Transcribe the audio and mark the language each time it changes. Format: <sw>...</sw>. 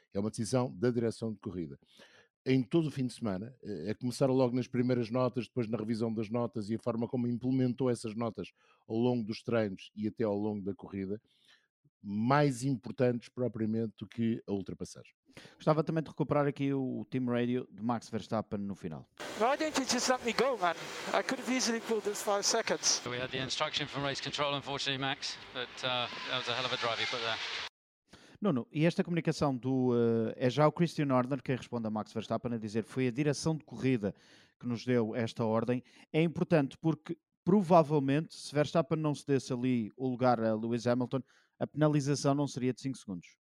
<pt>É uma decisão da Direção de Corrida. Em todo o fim de semana, a começar logo nas primeiras notas, depois na revisão das notas e a forma como implementou essas notas ao longo dos treinos e até ao longo da corrida, mais importantes propriamente do que a ultrapassagem. Gostava também de recuperar aqui o Team Radio de Max Verstappen no final.</pt> <en>Why didn't you just let me go, man? I could have easily pulled those 5 seconds. We had the instruction from race control, unfortunately, Max, but that was a hell of a drive you put there.</en> <pt>Nuno, e esta comunicação do... é já o Christian Horner quem responde a Max Verstappen a dizer foi a direção de corrida que nos deu esta ordem, é importante porque provavelmente, se Verstappen não cedesse ali o lugar a Lewis Hamilton, a penalização não seria de 5 segundos.</pt>